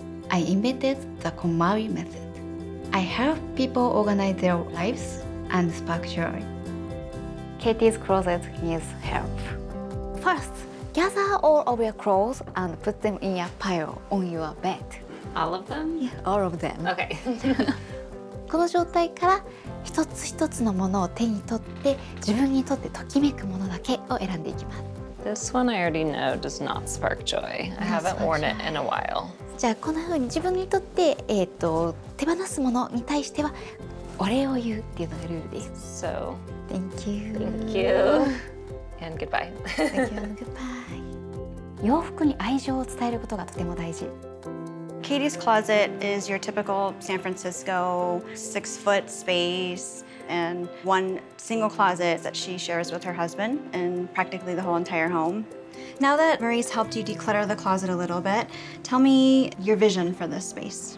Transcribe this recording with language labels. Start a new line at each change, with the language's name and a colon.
English: I invented the KonMari method. I help people organize their lives and spark joy. Katie's closet needs help. First, gather all of your clothes and put them in a pile on your bed. All of them? Yeah, all of them. Okay.
Japanese: この状態から一つ一つのものを手に取って自分にとってときめくものだけを選んでいきます。
English: This one I already know does not spark joy. I haven't worn it in a while.
Japanese: じゃあこのように自分にとって手放すものに対してはお礼を言うっていうのがルールです。
English: So, thank you. Thank you. And goodbye. Thank you and goodbye.
Japanese: 洋服に愛情を伝えることがとても大事。
English: Katie's closet is your typical San Francisco 6-foot space and one single closet that she shares with her husband and practically the whole entire home. Now that Marie's helped you declutter the closet a little bit, tell me your vision for this space.